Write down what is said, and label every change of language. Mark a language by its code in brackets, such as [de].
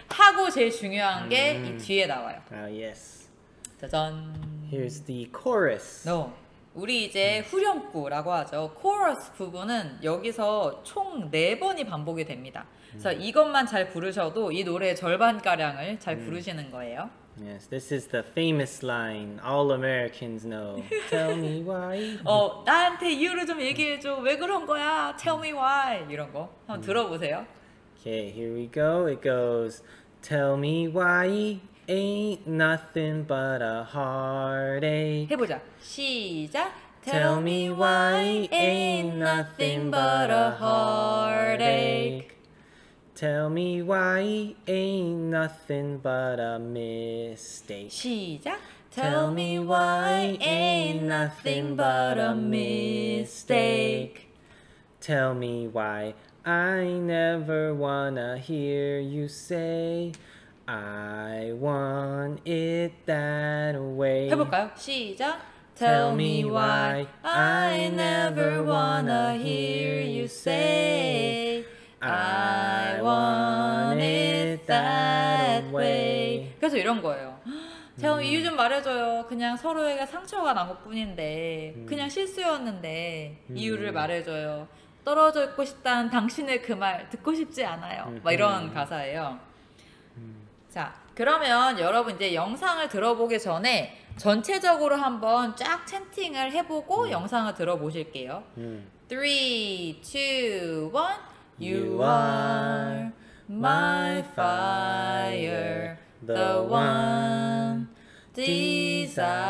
[ko] 하고 제일 중요한 게 이 뒤에 나와요. [en] Oh, yes. [ko] 짜잔. [en] Here's the chorus. No. [ko] 우리 이제 후렴구라고 하죠. chorus 부분은 여기서 총 네 번이 반복이 됩니다. 그래서 이것만 잘 부르셔도 이 노래의 절반가량을 잘 부르시는 거예요. [en] Yes, this is the famous line all Americans know. Tell me why. [ko] 어, 나한테 이유를 좀 얘기해줘. 왜 그런 거야? [en] Tell me why. [ko] 이런 거 한번 들어보세요. [en] Okay, here we go. It goes, Tell me why ain't nothing but a heartache. [ko] 해보자. 시작. [en] Tell me why ain't nothing but a heartache. Tell me why ain't nothing but a mistake. [ko] 시작. [en] Tell me why ain't nothing but a mistake. Tell me why I never wanna hear you say I want it that way. [ko] 해볼까요? 시작. [en] Tell me why I never wanna hear you say I want it that way. [ko] 그래서 이런 거예요. 제가 이유 좀 말해줘요. 그냥 서로에게 상처가 난 것뿐인데 그냥 실수였는데 이유를 말해줘요. 떨어져 있고 싶다는 당신의 그 말 듣고 싶지 않아요. 막 이런 가사예요. 자, 그러면 여러분 이제 영상을 들어보기 전에 전체적으로 한번 쫙 챈팅을 해보고 영상을 들어보실게요. [en] 3, 2, 1 You are my fire, the one desire.